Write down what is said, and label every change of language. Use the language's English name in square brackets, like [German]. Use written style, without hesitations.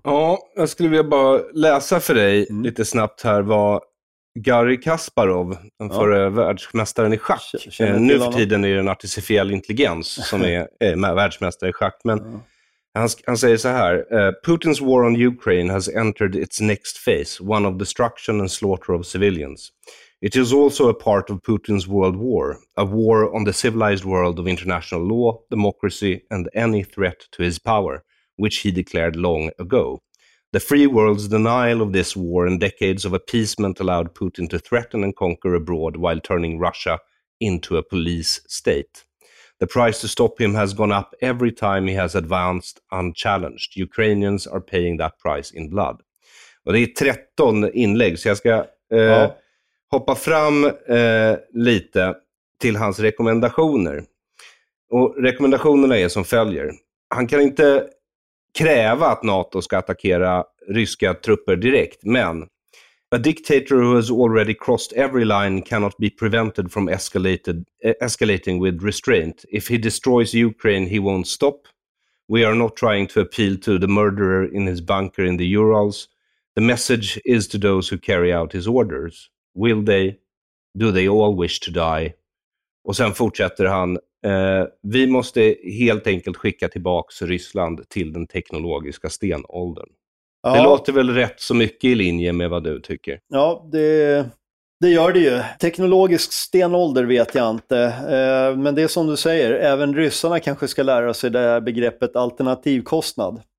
[Swedish] Ja, jag skulle vilja bara läsa för dig lite snabbt här vad Garry Kasparov, den förre världsmästaren i schack, nu för tiden är det en artificiell intelligens som är världsmästare i schack, men han säger så här: [English] Putin's war on Ukraine has entered its next phase, one of destruction and slaughter of civilians. It is also a part of Putin's world war, a war on the civilized world of international law, democracy and any threat to his power, which he declared long ago. The free world's denial of this war and decades of appeasement allowed Putin to threaten and conquer abroad while turning Russia into a police state. The price to stop him has gone up every time he has advanced unchallenged. Ukrainians are paying that price in blood. [Swedish] Och det är 13 inlägg, så jag ska hoppa fram lite till hans rekommendationer. Och rekommendationerna är som följer. Han kan inte kräva att NATO ska attackera ryska trupper direkt, men [English] a dictator who has already crossed every line cannot be prevented from escalating with restraint. If he destroys Ukraine, he won't stop. We are not trying to appeal to the murderer in his bunker in the Urals. The message is to those who carry out his orders. Will they? Do they all wish to die? [Swedish] Och sen fortsätter han: vi måste helt enkelt skicka tillbaka Ryssland till den teknologiska stenåldern. Ja. Det låter väl rätt så mycket i linje med vad du tycker? Ja, det gör det ju. Teknologisk stenålder vet jag inte. Men det är som du säger, även ryssarna kanske ska lära sig det här begreppet alternativkostnad.